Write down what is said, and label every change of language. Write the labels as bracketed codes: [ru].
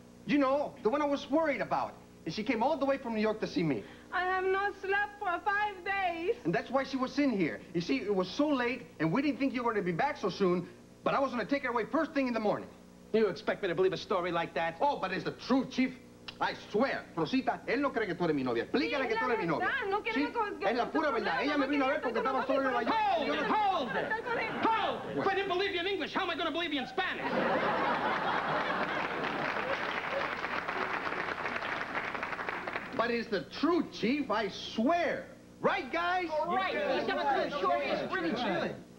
[en] You know, the one I was worried about. And she came all the way from New York to see me. I have not slept for 5 days. And that's why she was in here. You see, it was so late, and we didn't think you were going to be back so soon, but I was going to take her away first thing in the morning. You expect me to believe a story like that? Oh, but it's the truth, Chief. I swear, [es] Rosita, él no cree que tú eres mi novia. Explícale que tú eres mi novia. No quiere que... Es la pura verdad. Ella me vino a ver porque estaba solo en la... [en] Hold! Hold! Hold! If I didn't believe you in English, how am I going to believe you in Spanish? But it's the truth, Chief. I swear. Right, guys? All right. He's never told the story. He's really chilling.